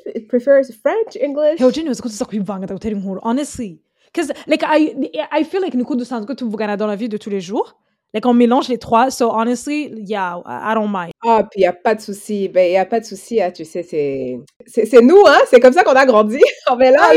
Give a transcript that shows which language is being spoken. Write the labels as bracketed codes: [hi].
[en] prefers French, English. Hey, Eugenio, it's going to be fun. Honestly. Because, like, I feel like [fr] Nico de Sanzgo, tu vas dans la vie de tous les jours. Like, on mélange les trois. [en] So, honestly, yeah, I don't mind. [fr] Ah, puis il n'y a pas de souci. Ben, il n'y a pas de souci. Hein, tu sais, c'est nous, hein. C'est comme ça qu'on a grandi en mélange.